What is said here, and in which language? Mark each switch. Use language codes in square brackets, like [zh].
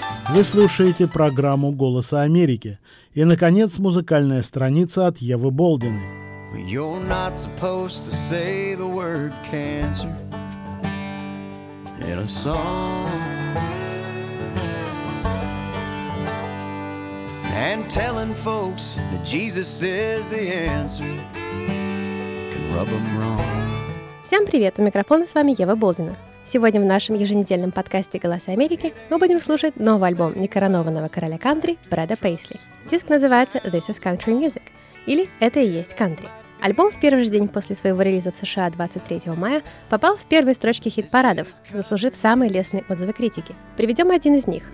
[ru] Вы слушаете программу «Голоса Америки». И, наконец, музыкальная страница от Евы Болдиной. [en] You're not supposed to say the word cancer in a song. And telling folks that Jesus is the answer can rub them wrong. [ru] Всем привет! У микрофона с вами Ева Болдина. Сегодня в нашем еженедельном подкасте «Голоса Америки» мы будем слушать новый альбом некоронованного короля кантри Брэда Пейсли. Диск называется «This is Country Music» или «Это и есть кантри». Альбом в первый же день после своего релиза в США 23 мая попал в первые строчки хит-парадов, заслужив самые лестные отзывы критики. Приведем один из них.